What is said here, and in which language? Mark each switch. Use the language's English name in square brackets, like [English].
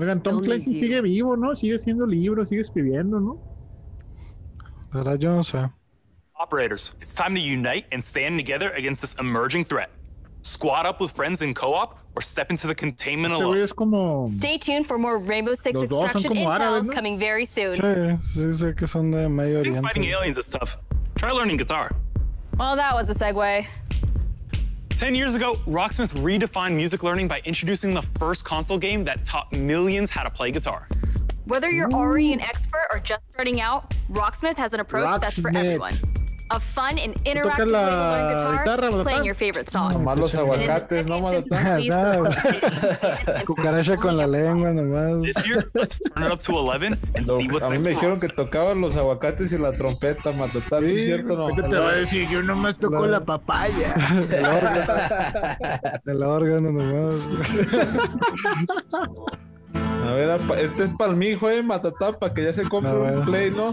[Spanish] Oigan, Tom Clancy sigue vivo, ¿no? Sigue haciendo libros, sigue escribiendo, ¿no? La verdad, yo no sé. [English] Operators, it's time to unite and stand together against this emerging threat. Squad up with friends in co-op or step into the containment alone. [Spanish] Es como... [English] Stay tuned for more Rainbow Six Extraction intel [Spanish] árabes, ¿no? [English] Coming very soon. [Spanish] Sí, sí, sé que son de Medio Oriente. [English] You're fighting aliens and stuff. Try learning guitar. Well, that was a segue. 10 years ago, Rocksmith redefined music learning by introducing the first console game that taught millions how to play guitar. Whether you're already an expert or just starting out, Rocksmith has an approach that's for everyone. A fun and interactive way to learn guitar, playing your favorite songs. [Spanish] Nomás los aguacates, no más tan. Cucaracha con la lengua, nomás. [English] This year, let's turn it up to 11 and see what's next. [Spanish] A mí me dijeron que tocaban los aguacates y la trompeta, Matatán, ¿es cierto o no? Te voy a decir, yo nomás toco la papaya. El órgano. El órgano, nomás. A ver, este es para mi hijo, Matatán, para que ya se compre un play, ¿no?